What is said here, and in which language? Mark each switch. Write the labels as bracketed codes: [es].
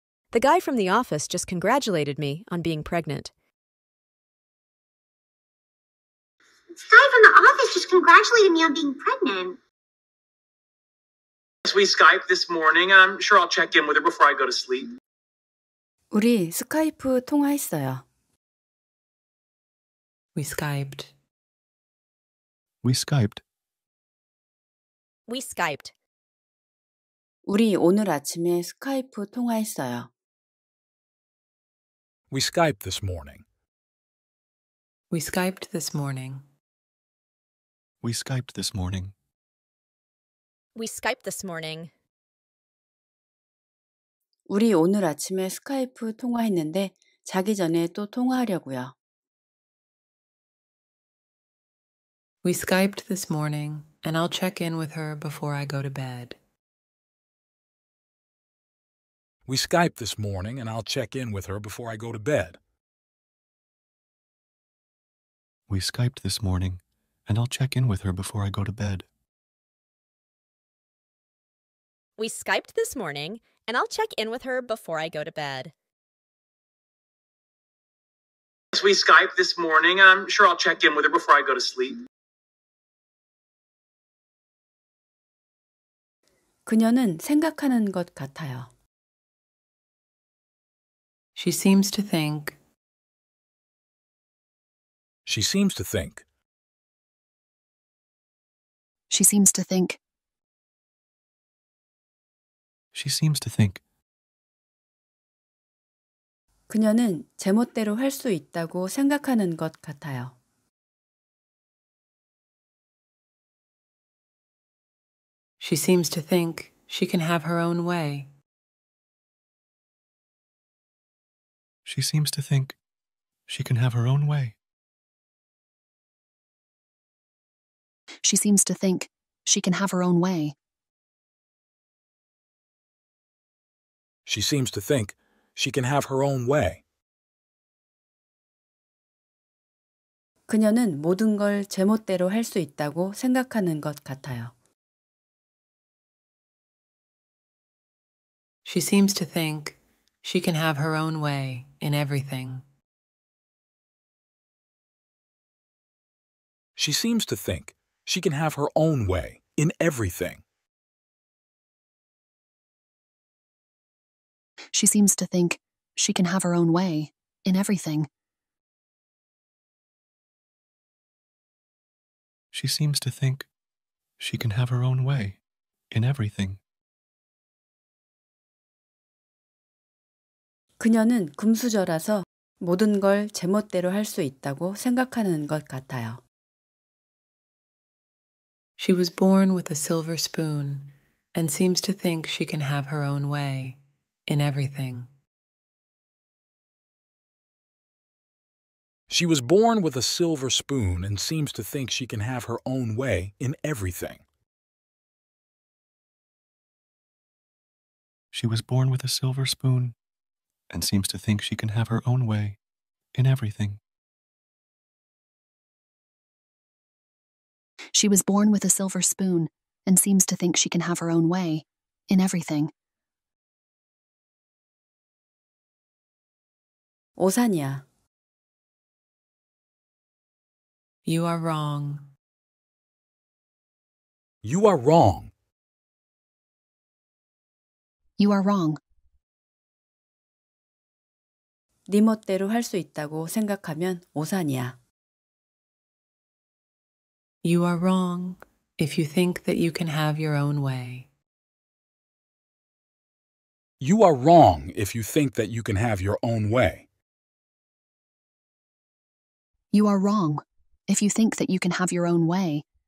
[en] The guy from the office just congratulated me on being pregnant. The guy from the office just congratulated me on being pregnant. As we Skype this morning, I'm sure I'll check in with her before I go to sleep. [ko] 우리 스카이프 통화했어요. [en] We Skyped. We Skyped. We Skyped. [ko] 우리 오늘 아침에 스카이프 통화했어요. [en] We Skyped this morning. We Skyped this morning. We Skyped this morning. We Skyped this morning. [ko] 우리 오늘 아침에 스카이프 통화했는데 자기 전에 또 통화하려고요. [en] We Skyped this morning, and I'll check in with her before I go to bed. We Skyped this morning, and I'll check in with her before I go to bed. We Skyped this morning, and I'll check in with her before I go to bed. We Skyped this morning, and I'll check in with her before I go to bed. As we Skype this morning, I'm sure I'll check in with her before I go to sleep. [ko] 그녀는 생각하는 것 같아요. [en] She seems to think. She seems to think. She seems to think. She seems to think. [ko] 그녀는 제멋대로 할 수 있다고 생각하는 것 같아요. [en] She seems to think she can have her own way. She seems to think she can have her own way. She seems to think she can have her own way. She seems to think she can have her own way. [ko] 그녀는 모든 걸 제멋대로 할 수 있다고 생각하는 것 같아요. [en] She seems to think she can have her own way in everything. She seems to think she can have her own way in everything. She seems to think she can have her own way in everything. She seems to think she can have her own way in everything. [ko] 그녀는 금수저라서 모든 걸 제멋대로 할 수 있다고 생각하는 것 같아요. [en] She was born with a silver spoon and seems to think she can have her own way in everything. She was born with a silver spoon and seems to think she can have her own way in everything. She was born with a silver spoon and seems to think she can have her own way in everything. She was born with a silver spoon and seems to think she can have her own way in everything. [ko] 오산이야. [en] You are wrong. You are wrong. You are wrong. [ko] 네 멋대로 할 수 있다고 생각하면 오산이야. [en] You are wrong if you think that you can have your own way. You are wrong if you think that you can have your own way. You are wrong if you think that you can have your own way.